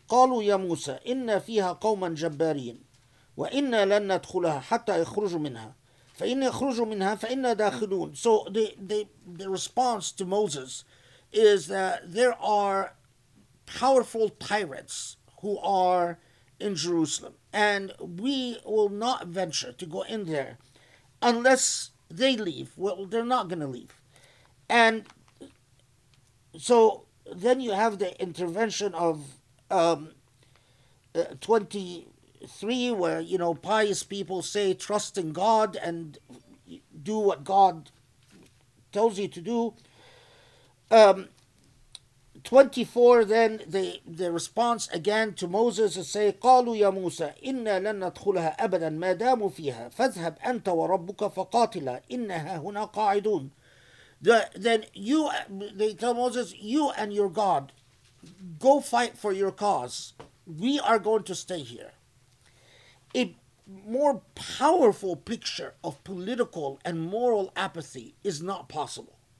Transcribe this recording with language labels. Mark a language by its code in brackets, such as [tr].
[ar] قالوا يا موسى إن فيها قوما جبارين وإنا لن ندخلها حتى يخرجوا منها فإن يخرجوا منها فإنا داخلون. [en] So the response to Moses is that there are powerful pirates who are in Jerusalem, and we will not venture to go in there unless they leave. Well, they're not going to leave. And so then you have the intervention of 23, where, you know, pious people say, trust in God and do what God tells you to do. 24, then the response again to Moses is say, [ar] قالوا يا موسى إنا لن ندخلها أبدا ما داموا فيها فاذهب أنت وربك فقاتلا إنها هنا قاعدون. [en] Then you, they tell Moses, you and your God, go fight for your cause. We are going to stay here. A more powerful picture of political and moral apathy is not possible.